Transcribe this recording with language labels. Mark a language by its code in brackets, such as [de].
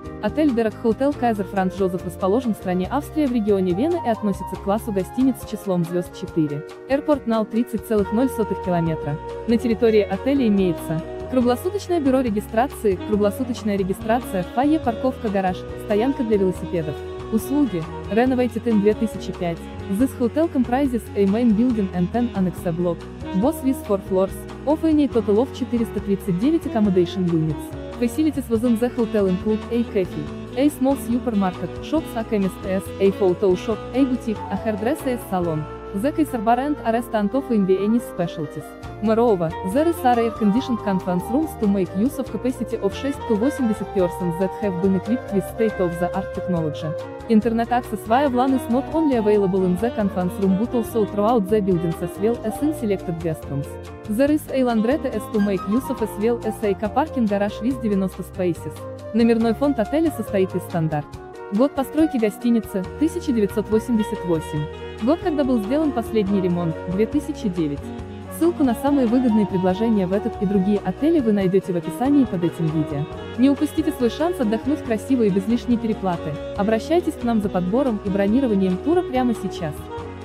[ru] Отель Дерек Хотел Кайзер Франц Жозеф расположен в стране Австрия в регионе Вены и относится к классу гостиниц с числом звезд 4. [en] Airport NAL 30,0 км. [ru] На территории отеля имеется круглосуточное бюро регистрации, круглосуточная регистрация, фойе, парковка, гараж, стоянка для велосипедов. Услуги. [en] Renovated in 2005. This hotel comprises a main building and 10 annexe block. Both with 4 floors. Offering a total of 439 accommodation units. Facilities within the hotel include a cafe, a small supermarket, shops, a chemist, a photo shop, a boutique, a hairdresser, a salon. The Kaiser Bar and a restaurant offering any specialties. Moreover, there is are air-conditioned conference rooms to make use of capacity of 6-80 persons that have been equipped with state-of-the-art technology. Internet access via LAN is not only available in the conference room but also throughout the buildings as well as in selected guest rooms. There is a laundrette as to make use of as well as a car parking garage with 90 spaces. [ru] Номерной фонд отеля состоит из стандарт. Год постройки гостиницы – 1988. Год, когда был сделан последний ремонт – 2009. Ссылку на самые выгодные предложения в этот и другие отели вы найдете в описании под этим видео. Не упустите свой шанс отдохнуть красиво и без лишней переплаты. Обращайтесь к нам за подбором и бронированием тура прямо сейчас.